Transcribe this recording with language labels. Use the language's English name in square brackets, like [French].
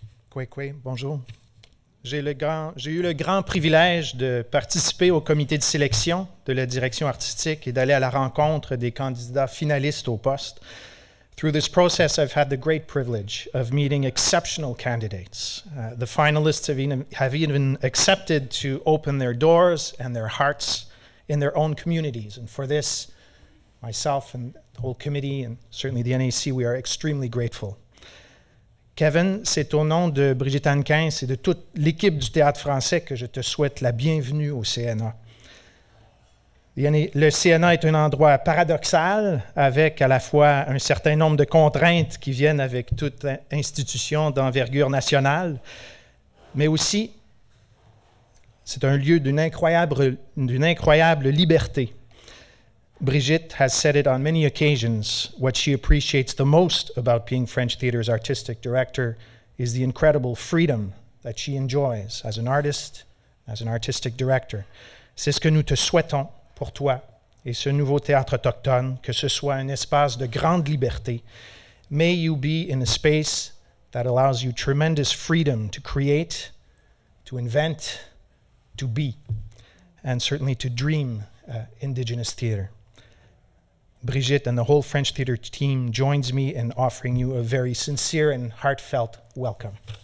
[French] Kwekwe, bonjour. J'ai eu le grand privilège de participer au comité de sélection de la direction artistique et d'aller à la rencontre des candidats finalistes au poste. [English] Through this process, I've had the great privilege of meeting exceptional candidates. The finalists have even accepted to open their doors and their hearts in their own communities. And for this, myself and the whole committee, and certainly the NAC, we are extremely grateful. [French] Kevin, c'est au nom de Brigitte Anquin et de toute l'équipe du Théâtre français que je te souhaite la bienvenue au CNA. Le CNA est un endroit paradoxal, avec à la fois un certain nombre de contraintes qui viennent avec toute institution d'envergure nationale, mais aussi, c'est un lieu d'une incroyable liberté. [English] Brigitte has said it on many occasions, what she appreciates the most about being French Theatre's artistic director is the incredible freedom that she enjoys as an artist, as an artistic director. [French] C'est ce que nous te souhaitons pour toi et ce nouveau théâtre autochtone, que ce soit un espace de grande liberté. [English] May you be in a space that allows you tremendous freedom to create, to invent, to be, and certainly to dream Indigenous theater. Brigitte and the whole French theater team joins me in offering you a very sincere and heartfelt welcome.